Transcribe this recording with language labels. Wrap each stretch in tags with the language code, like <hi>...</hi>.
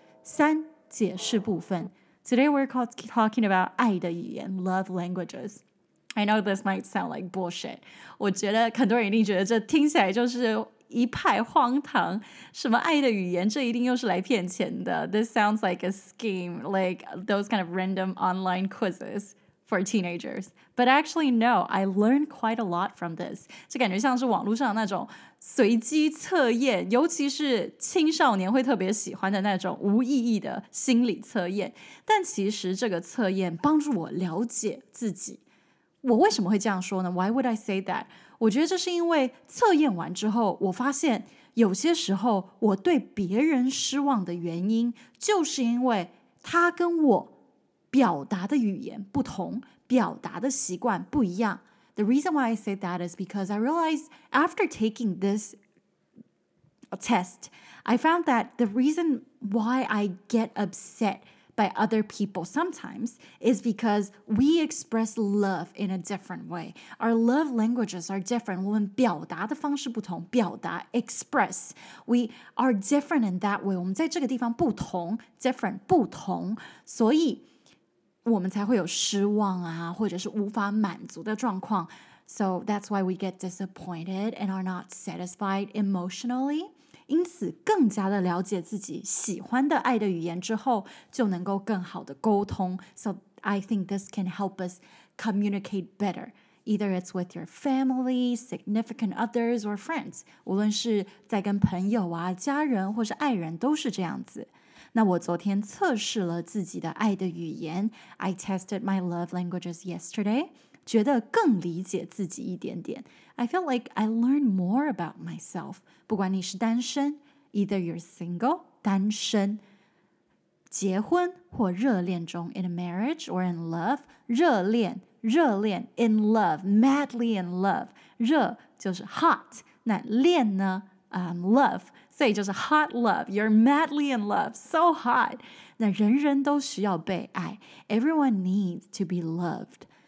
<zh>三，解释部分。</zh> <en>Today we're talking about</en> <zh>爱的语言</zh> <en>love languages. I know this might sound like bullshit.</en> <zh>我觉得很多人一定觉得这听起来就是一派荒唐，什么爱的语言，这一定又是来骗钱的。</zh> <en>This sounds like a scheme, like those kind of random online quizzes for teenagers. But actually, no, I learned quite a lot from this.</en> <zh>就感觉像是网络上那种随机测验，尤其是青少年会特别喜欢的那种无意义的心理测验。但其实这个测验帮助我了解自己。我为什么会这样说呢？</zh> <en>Why would I say that?</en> <zh>我觉得这是因为测验完之后，我发现有些时候我对别人失望的原因，就是因为他跟我表达的语言不同，表达的习惯不一样。</zh> <en>The reason why I say that is because I realized after taking this test, I found that the reason why I get upset by other people sometimes is because we express love in a different way. Our love languages are different.</en> <zh>我们表达的方式不同，表达</zh> <en>express. We are different in that way.</en> <zh>我们在这个地方不同， different 不同，所以我们才会有失望啊，或者是无法满足的状况。</zh> <en>So that's why we get disappointed and are not satisfied emotionally.</en> <zh>因此更加的了解自己喜欢的爱的语言之后，就能够更好的沟通。</zh> <en>So I think this can help us communicate better. Either it's with your family, significant others, or friends.</en> <zh>无论是在跟朋友啊、家人或是爱人都是这样子。那我昨天测试了自己的爱的语言。</zh> <en>I tested my love languages yesterday.</en> <zh>觉得更理解自己一点点。</zh> <en>I feel like I learned more about myself.</en> <zh>不管你是单身，</zh> <en>either you're single,</en> <zh>单身，结婚或热恋中，</zh> <en>in a marriage or in love,</en> <zh>热恋，热恋，</zh> <en>in love, madly in love,</en> <zh>热就是</zh> <en>hot,</en> <zh>那恋呢，</zh> <en>love,</en> <zh>所以就是</zh> <en>hot love, you're madly in love, so hot,</en> <zh>那人人都需要被爱，</zh> <en>everyone needs to be loved.</en>